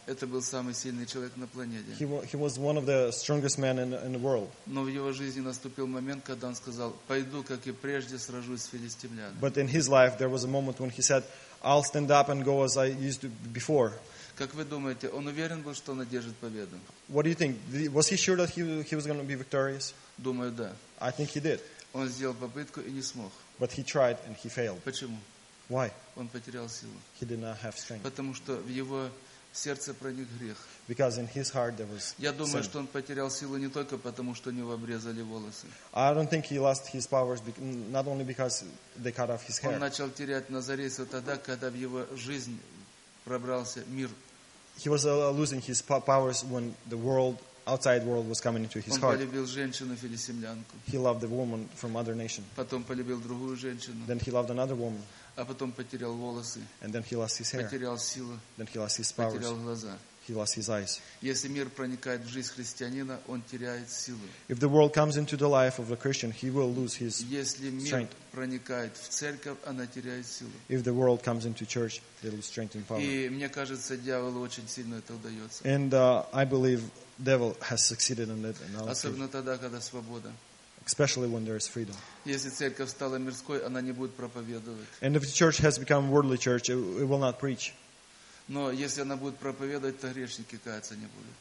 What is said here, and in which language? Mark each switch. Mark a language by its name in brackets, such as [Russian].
[Russian] Это был самый сильный человек на планете. [English] He was one of the strongest men in the world. [Russian] Но в его жизни наступил момент, когда он сказал: «Пойду, как и прежде, сражусь с филистимлянами». [English] But in his life there was a moment when he said, "I'll stand up and go as I used to before." [Russian] Как вы думаете, он уверен был, что он одержит победу? [English] What do you think? Was he sure that he was going to be victorious? [Russian] Думаю, да. [English] I think he did. [Russian] Он сделал попытку и не смог. [English] But he tried and he failed. [Russian] Почему? [English] Why? [Russian] Он потерял силу. [English] He did not have strength. [Russian] Потому что в его сердце проник грех. [English] Because in his heart there was sin. [Russian] Я думаю, что он потерял силу не только потому, что у него обрезали волосы. [English] I don't think he lost his powers not only because they cut off his hair. [Russian] Он начал терять назарейство тогда, когда в его жизнь пробрался мир. [English] He was losing his powers when the world, outside world, was coming into his [Russian] он [English] heart. [Russian] Он полюбил женщину филистимлянку. [English] He loved the woman from other nation. [Russian] Потом полюбил другую женщину. [English] Then he loved another woman. [Russian] А потом потерял волосы. [English] And then he lost his hair. [Russian] Потерял силу. [English] Then he lost his powers. [Russian] Потерял глаза. [English] He lost his eyes. [Russian] Если мир проникает в жизнь христианина, он теряет силу. [English] If the world comes into the life of a Christian, he will lose his strength. [Russian] Если мир проникает в церковь, она теряет силу. [English] If the world comes into church, they lose strength and power. [Russian] И мне кажется, дьяволу очень сильно это удается. [English] And I believe devil has succeeded in it. [Russian] Особенно тогда, когда свобода. [English] Especially when there is freedom. [Russian] Если церковь стала мирской, она не будет проповедовать. [English] And if the church has become worldly church, it will not preach. [Russian] Но если она будет проповедовать, то грешники каяться не будут.